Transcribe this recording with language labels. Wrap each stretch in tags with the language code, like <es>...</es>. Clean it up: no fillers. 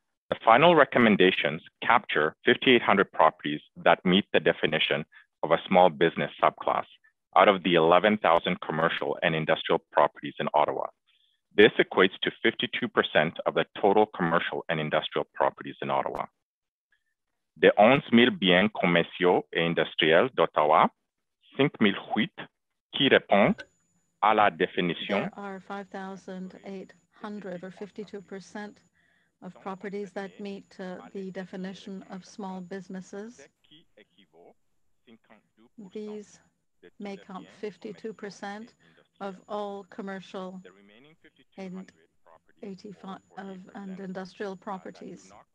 <en>The final recommendations capture 5,800 properties that meet the definition of a small business subclass out of the 11,000 commercial and industrial properties in Ottawa. This equates to 52% of the total commercial and industrial properties in Ottawa.</en> <fr>De 11,000 biens commerciaux et industriels d'Ottawa, 5,008 qui répondent à la définition.</fr> <en>There are 5,800 or 52% of properties that meet the definition of small businesses. These make up 52% of all commercial and 85% and industrial properties.</en>